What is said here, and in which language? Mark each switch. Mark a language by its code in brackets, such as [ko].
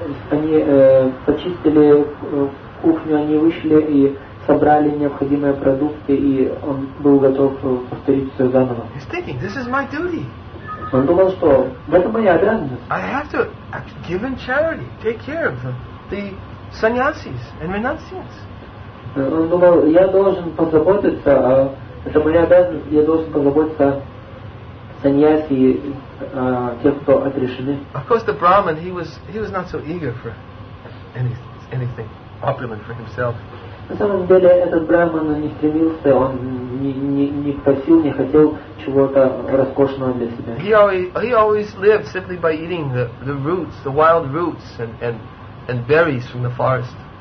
[ru] Они почистили кухню, они вышли и собрали необходимые продукты, и он был готов повторить все заново. [en] He's thinking, this is my duty. [ru] Он думал, что это моя обязанность. [en] I have to give in charity, take care of the sannyasis and renunciants. [ru] Он думал, я должен позаботиться, это моя обязанность, я должен позаботиться о саньяси и тех, кто отрешены. [en] Of course, the Brahmin, he was not so eager for anything opulent for himself. [ru] На самом деле, этот Брахман не стремился, он не просил, не хотел чего-то роскошного для себя. [en] He always lived simply by eating the roots, the wild roots and berries from the forest.